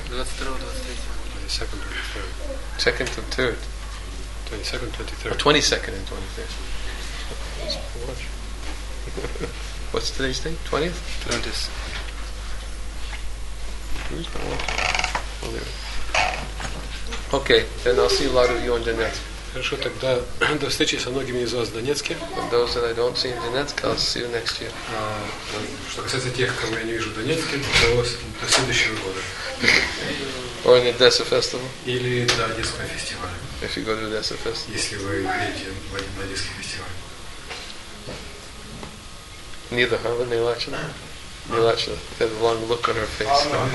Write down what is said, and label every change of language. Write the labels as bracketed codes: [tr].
[en] 22nd and 23rd. What's today's date? 20th? 20th. Okay, then I'll see a lot of you in Donetsk. [ru] Хорошо, тогда до встречи со многими из вас в Донецке. [en] Those that I don't see in Donetsk, I'll see you next year. [ru] Что касается тех, кого я не вижу в Донецке, до следующего года. [en] Or in Odessa Festival. [ru] Или до Одесского фестиваля. [en] If you go to Odessa Festival. [ru] Если вы едете на Одесский фестиваль. [en] Neither, huh? [ru] Не Лачина? Не Лачина. [en] She had a long look on her face.